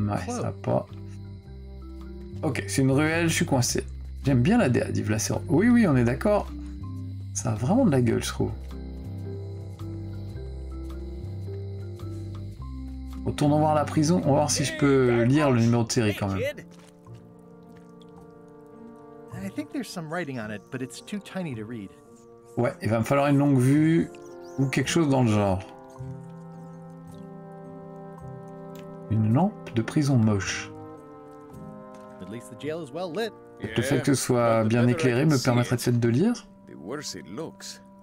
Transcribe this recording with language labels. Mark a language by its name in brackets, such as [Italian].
[French] Ouais, ça pas. Ok, c'est une ruelle, je suis coincé. J'aime bien la DA, dit Vlasser. Oui, oui, on est d'accord. Ça a vraiment de la gueule, je trouve. Retournons voir la prison, on va voir si je peux lire le numéro de série quand même. [English] I think there's some writing on it, but it's too tiny to read. [French] Ouais, il va me falloir une longue vue ou quelque chose dans le genre. Une lampe de prison moche. [English] At least the jail is well lit. [French] Le fait que ce soit bien éclairé me permettrait-il de lire ? [English] The worse it looks.